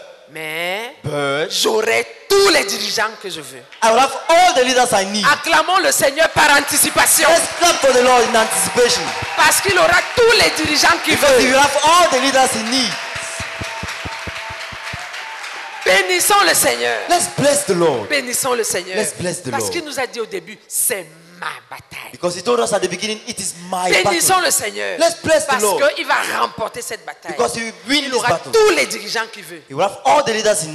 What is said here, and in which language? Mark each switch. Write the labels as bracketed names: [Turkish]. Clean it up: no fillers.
[French] Mais j'aurai tous les dirigeants que je veux. [English] I will have all the leaders I need. [French] Acclamons le Seigneur par anticipation. [English] Let's clap for the Lord in anticipation. [French] Parce qu'il aura tous les dirigeants qu'il [English] Because [French] veut. [English] He will have all the leaders he needs. [French] Bénissons le Seigneur. [English] Let's bless the Lord. [French] Bénissons le Seigneur. [English] Let's bless the Lord. [French] Parce qu'il nous a dit au début, c'est ma bataille. [English] Because he told us at the beginning, it is my battle. [French] Bénissons le Seigneur. [English] Let's bless the Lord. [French] Parce qu'il va remporter cette bataille. [English] Because he will win this battle. [French] Il aura tous les dirigeants qu'il veut. [English] He will have all the leaders he needs.